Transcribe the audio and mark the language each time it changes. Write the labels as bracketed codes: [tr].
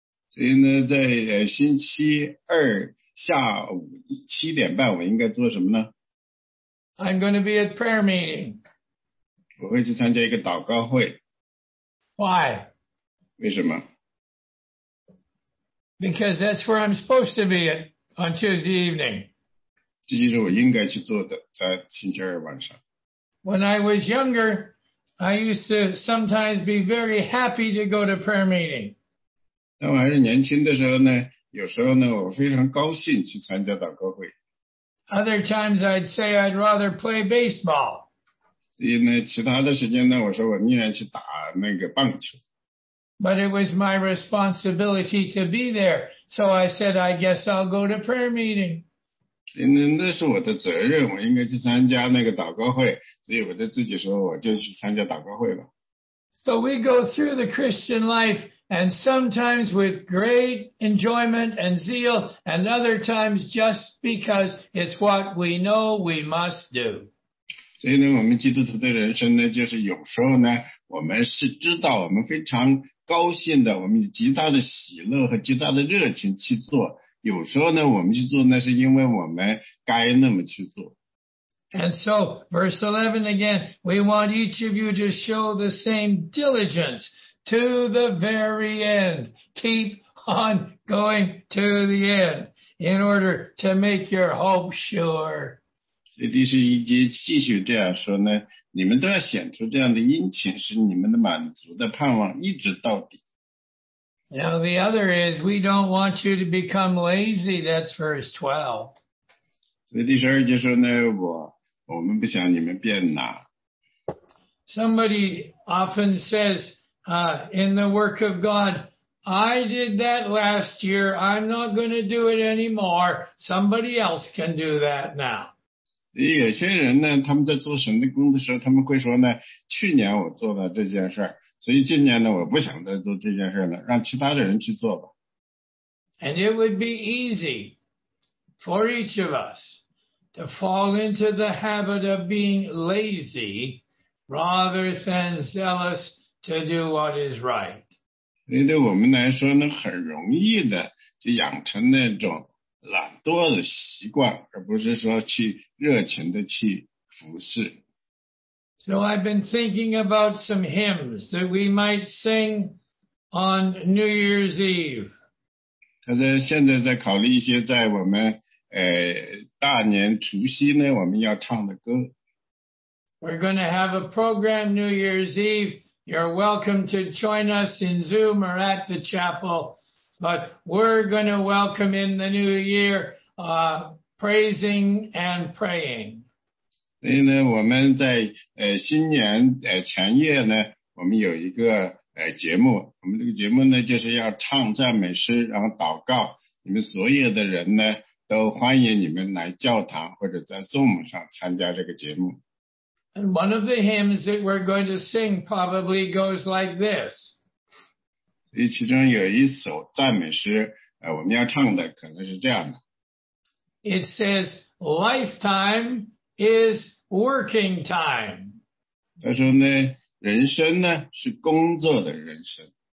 [zh] 所以呢，在星期二。下午七点半我应该做什么呢? [en] I'm going to be at prayer meeting. [zh] 我会去参加一个祷告会。 [en] Why? [zh] 为什么? [en] Because that's where I'm supposed to be at, on Tuesday evening. [zh] 这就是我应该去做的，在星期二晚上。 [en] When I was younger, I used to sometimes be very happy to go to prayer meeting. [zh] 当我还是年轻的时候呢，有时候呢，我非常高兴去参加祷告会。 [en] Other times I'd say I'd rather play baseball. [zh] 所以呢，其他的时间呢，我说我宁愿去打那个棒球。 [en] But it was my responsibility to be there, so I said, I guess I'll go to prayer meeting. [zh] 那是我的责任，我应该去参加那个祷告会，所以我就自己说，我就去参加祷告会吧。 [en] So we go through the Christian life, and sometimes with great enjoyment and zeal, and other times just because it's what we know we must do. [zh] 所以呢，我们基督徒的人生呢，就是有时候呢，我们是知道我们非常高兴的，我们极大的喜乐和极大的热情去做。有时候呢，我们去做，那是因为我们该那么去做。 [en] And so, verse 11 again, we want each of you to show the same diligence to the very end. Keep on going to the end in order to make your hope sure. [zh] 所以第十一节继续这样说呢，你们都要显出这样的殷勤，使你们的满足的盼望一直到底。 [en] Now the other is, we don't want you to become lazy, that's verse 12. [zh] 所以第十二节说呢，我们不想你们变懒。 [en] Somebody often says, in the work of God, I did that last year, I'm not going to do it anymore, somebody else can do that now. [zh] 有些人呢，他们在做神的工的时候，他们会说呢，去年我做了这件事，所以今年呢，我不想再做这件事了，让其他的人去做吧。 [en] And it would be easy for each of us to fall into the habit of being lazy rather than zealous to do what is right. [zh] 所以对我们来说呢，很容易的就养成那种懒惰的习惯，而不是说去热情的去服侍。 [en] So I've been thinking about some hymns that we might sing on New Year's Eve. [zh] 他在现在在考虑一些在我们大年除夕呢我们要唱的歌。 [en] We're going to have a program New Year's Eve. You're welcome to join us in Zoom or at the chapel. But we're going to welcome in the new year, praising and praying. [zh] 所以呢，我们在新年前夜呢，我们有一个节目。我们这个节目呢，就是要唱赞美诗，然后祷告。你们所有的人呢，都欢迎你们来教堂或者在Zoom上参加这个节目。 [en] And one of the hymns that we're going to sing probably goes like this. [zh] 所以其中有一首赞美诗我们要唱的可能是这样的。 [en] It says, lifetime is working time. [zh] 他说呢，人生呢，是工作的人生。